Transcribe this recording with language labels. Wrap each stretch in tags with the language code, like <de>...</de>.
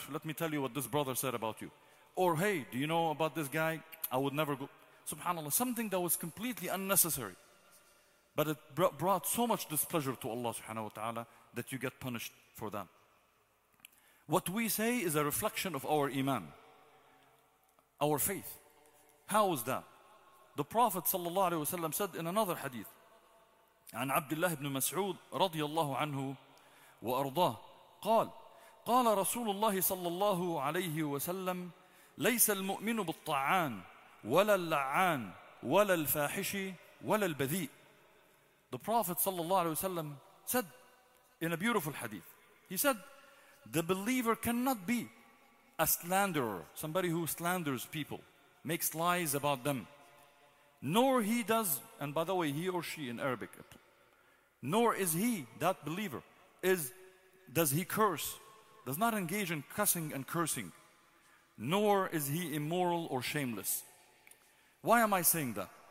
<en>Let me tell you what this brother said about you. Or, hey, do you know about this guy? I would never go. Subhanallah, something that was completely unnecessary. But it brought so much displeasure to Allah subhanahu wa ta'ala that you get punished for that. What we say is a reflection of our iman, our faith. How is that? The Prophet sallallahu alayhi wa sallam said in another hadith,</en> <ar>عن عبد الله بن مسعود رضي الله عنه وأرضاه قال قال رسول الله صلى الله عليه وسلم ليس المؤمن بالطعان ولا اللعان ولا الفاحش ولا البذيء.</ar> <en>The Prophet sallallahu alayhi wa sallam said in a beautiful hadith, he said, the believer cannot be a slanderer, somebody who slanders people, makes lies about them. Nor he does, and by the way, he or she in Arabic, nor is he, that believer, does he curse, does not engage in cussing and cursing, nor is he immoral or shameless. Why am I saying that?</en>